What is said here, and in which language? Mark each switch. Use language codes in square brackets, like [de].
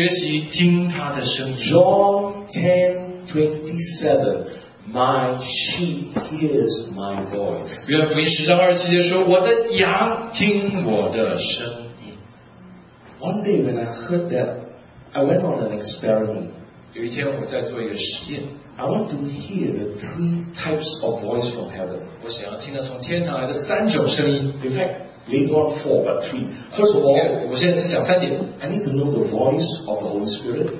[zh] 真实跟神亲密的关系就是你在他的脚前等候，你学习听他的声音。 [en] John 10:27, My sheep hears my voice. [zh] 约翰福音10:27说，我的羊听我的声音。 [en] One day when I heard that, I went on an experiment. [zh] 有一天我在做一个实验。 [en] I want to hear the three types of voice from heaven. [zh] 我想要听到从天堂来的三种声音。 [en] In fact, later on four, but three. First of all, [zh] 我现在只讲三点。 [en] I need to know the voice of the Holy Spirit.